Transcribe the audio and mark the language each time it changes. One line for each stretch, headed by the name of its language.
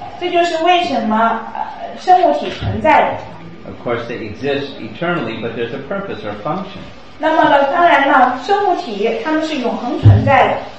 Chinese: 这就是为什么生物体存在的。
English: Of course, they exist eternally, but there's a purpose or function.
Chinese: 那么呢，当然了，生物体他们是永恒存在的。